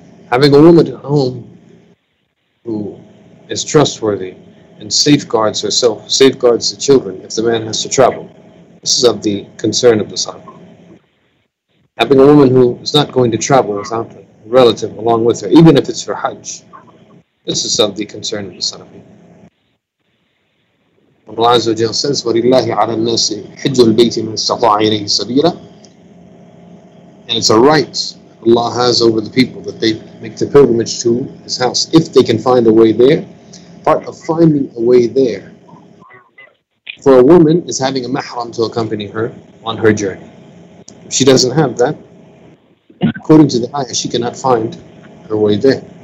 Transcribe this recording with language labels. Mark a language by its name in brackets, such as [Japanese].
[English] Having a woman at home who is trustworthy and safeguards herself, safeguards the children if the man has to travel, this is of the concern of the Sarabi. Having a woman who is not going to travel without a relative along with her, even if it's for Hajj, this is of the concern of the Sarabi. [Arabic] Allah Azza wa Jal says, وَلِلَّهِ عَلَى النَّاسِ حِجُّ الْبَيْتِ مَنْ اسْتَطَاعَ إِلَيْهِ سَبِيلًا. [English] And it's a right Allah has over the people that they make the pilgrimage to His house if they can find a way there. Part of finding a way there for a woman is having a mahram to accompany her on her journey. If she doesn't have that, according to the ayah, she cannot find her way there.